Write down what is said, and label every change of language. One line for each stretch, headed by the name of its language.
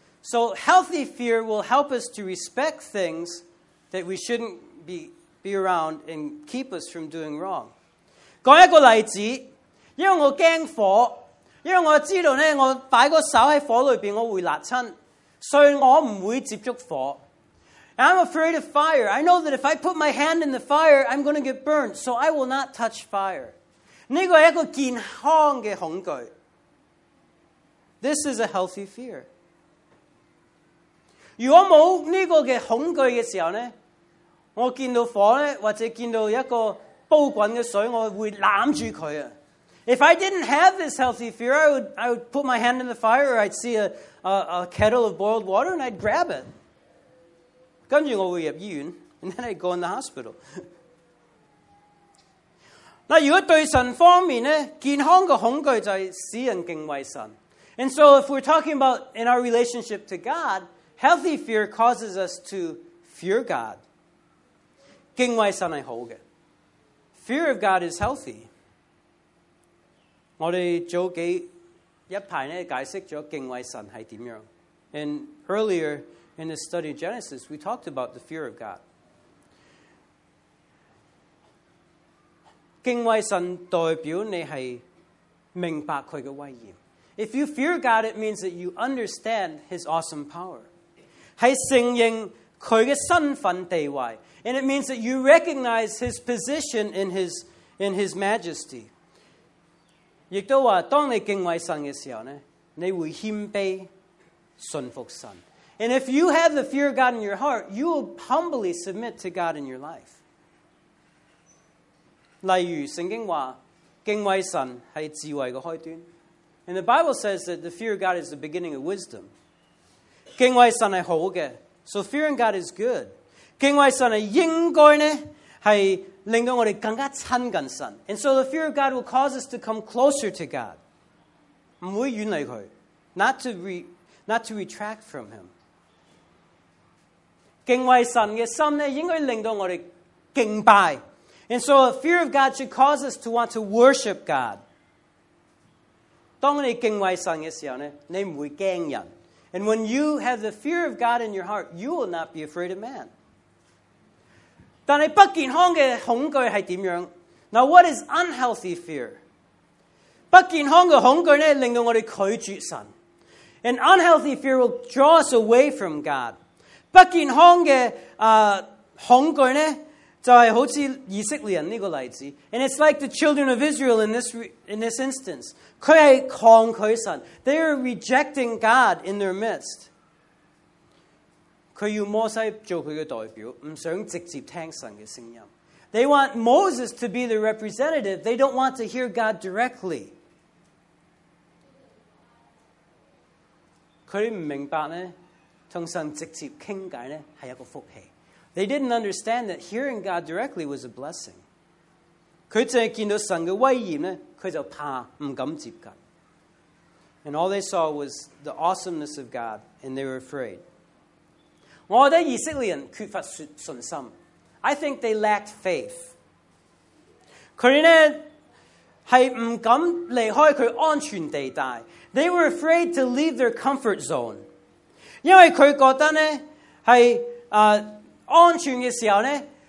English: So healthy fear will help us to respect things that we shouldn't be around and keep us from doing wrong.
Chinese: 讲一个例子因为我怕火因为我知道呢我摆个手在火里面我会辣亲所以我不会接触火。
English: I'm afraid of fire. I know that if I put my hand in the fire, I'm going to get burned, so I will not touch fire.
Chinese: 这个是一个健康的恐惧。
English: This is a healthy fear.
Chinese: 如果没有这个的恐惧的时候呢我见到火呢或者见到一个煲滚的水我会揽住它。
English: If I didn't have this healthy fear, I would put my hand in the fire or I'd see a kettle of boiled water and I'd grab it.
Chinese: 跟住我会入医院
English: and then I'd go in the hospital.
Chinese: 那如果对神方面呢健康的恐惧就是使人敬畏神。
English: And so if we're talking about in our relationship to God, healthy fear causes us to fear God.
Chinese: 敬畏神是好的。
English: Fear of God is healthy.
Chinese: 我们早几一排呢解释了敬畏神是怎样。
English: And earlier in the study of Genesis, we talked about the fear of God.
Chinese: 敬畏神代表你是明白祂的威严。
English: If you fear God, it means that you understand His awesome power.
Chinese: 是承认祂的身份地位。
English: And it means that you recognize His position in His majesty.
Chinese: 亦都话，当你敬畏神嘅时候呢，你会谦卑顺服神。
English: And if you have the fear of God in your heart, you will humbly submit to God in your life.
Chinese: 例如圣经话，敬畏神系智慧嘅开端。
English: And the Bible says that the fear of God is the beginning of wisdom.
Chinese: 敬畏神系好嘅
English: ，so fearing God is good.
Chinese: 敬畏神系应该呢系。令到我们更加亲近神
English: And so the fear of God will cause us to come closer to God.
Chinese: 不会远离祂
English: not to retract from Him.
Chinese: 敬畏神的心呢应该令到我们敬拜
English: And so the fear of God should cause us to want to worship God.
Chinese: 当你敬畏神的时候呢你不会怕人
English: And when you have the fear of God in your heart, you will not be afraid of man.
Chinese: 但是不健康的恐惧是怎样
English: Now what is unhealthy fear?
Chinese: 不健康的恐惧呢令到我们拒绝神。
English: And unhealthy fear will draw us away from God.
Chinese: 不健康的、恐惧呢就是好像以色列人这个例子。
English: And it's like the children of Israel in this instance.
Chinese: 他是抗拒神。
English: They are rejecting God in their midst.
Chinese: 他要摩西做他的代表，不想直接听神的声音。
English: They want Moses to be the representative. They don't want to hear God directly.
Chinese: 他们不明白呢，跟神直接倾偈呢是一个福气。
English: They didn't understand that hearing God directly was a blessing.
Chinese: 佢只系见到神嘅威严咧，佢就怕，唔敢接近。
English: And all they saw was the awesomeness of God, and they were afraid.
Chinese: 我觉得以色列人缺乏信心。
English: I think they lacked faith.
Chinese: 佢咧系唔敢离开佢安全地带。
English: They were afraid to leave their comfort zone.
Chinese: 因为佢觉得咧系安全嘅时候咧。